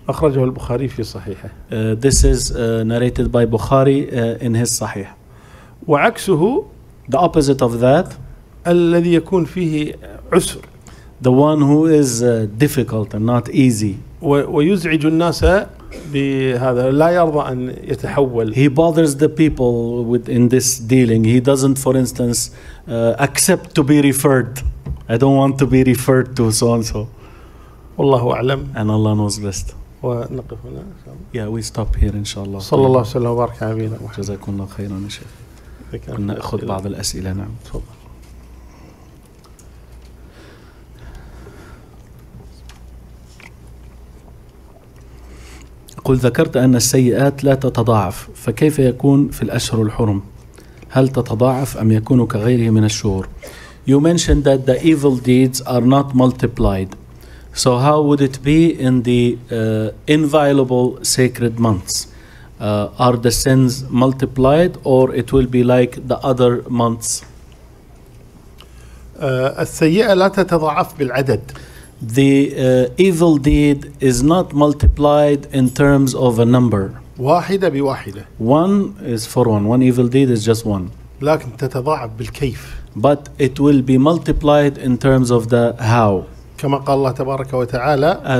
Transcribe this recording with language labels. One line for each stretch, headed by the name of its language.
English: This is narrated by Bukhari in his Sahih. The opposite of that, the one who is difficult and not easy.
Arabic: ويزعج الناس بهذا لا يرضى أن يتحول.
English: He bothers the people with in this dealing. He doesn't, for instance, accept to be referred. I don't want to be referred to so and so.
Arabic: والله أعلم.
English: And Allah knows best.
Arabic: ونقف هنا.
English: Yeah, we stop here, inshallah.
Arabic: صلى الله وسلم وبارك على نبينا. جزاك الله خيرا يا شيخ. كنا نأخذ بعض الأسئلة. نعم. تفضل. قل ذكرت أن السيئات لا تتضاعف فكيف يكون في الأشهر الحرم هل تتضاعف أم يكون كغيره من الشهور.
English: You mentioned that the evil deeds are not multiplied, so how would it be in the inviolable sacred months? Are the sins multiplied or it will be like the other months?
Arabic: السيئة لا تتضاعف بالعدد.
English: The evil deed is not multiplied in terms of a number.
Arabic: واحدة بواحدة.
English: One is for one. One evil deed is just one.
Arabic: لكن تتضاعف بالكيف.
English: But it will be multiplied in terms of the how.
Arabic: كما قال الله تبارك وتعالى.